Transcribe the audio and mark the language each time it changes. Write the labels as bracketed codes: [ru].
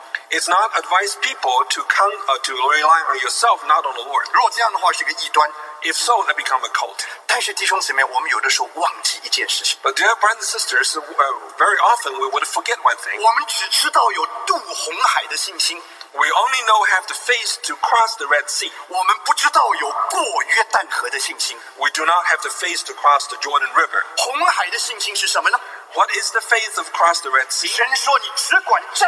[en] It's not advise people to come to rely on yourself, not on the Lord. [zh] 若这样的话是个异端。 [en] If so, that become a cult. [zh] 但是弟兄姊妹，我们有的时候忘记一件事情。 [en] But dear brothers and sisters, very often we would forget one thing. [zh] 我们只知道有渡红海的信心。 [en] We only know have the faith to cross the Red Sea. [zh] 我们不知道有过约旦河的信心。 [en] We do not have the faith to cross the Jordan River. [zh] 红海的信心是什么呢？ [en] What is the faith of cross the Red Sea?